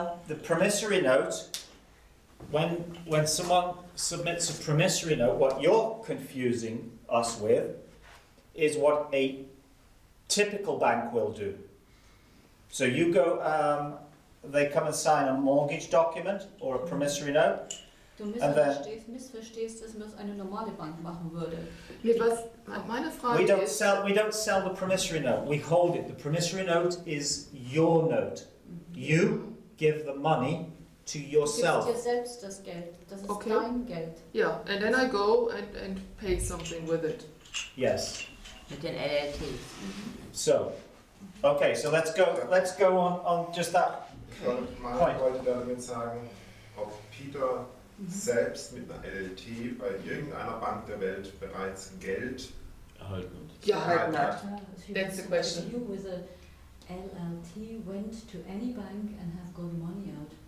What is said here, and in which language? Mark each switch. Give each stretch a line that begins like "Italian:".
English: The promissory note, when someone submits a promissory note, what you're confusing us with is what a typical bank will do. So you go, they come and sign a mortgage document or a promissory note.
German: Du missverstehst es, was eine normale Bank machen würde. Nee, was meine Frage ist,
English: we don't sell the promissory note. We hold it. The promissory note is your note. You give the money to yourself.
German: Du gibst dir selbst das Geld. Das ist dein Geld. Ja, yeah.
English: And then I go and pay something with it. Yes.
German: Mit den LLTs.
English: So, okay, so let's go on just that point.
German: Meine wollte damit sagen, ob Peter selbst mit einer LLT bei irgendeiner Bank der Welt bereits Geld erhalten hat. Ja, erhalten hat.
English: That's the question. You with a LLT went to any bank and have got money out.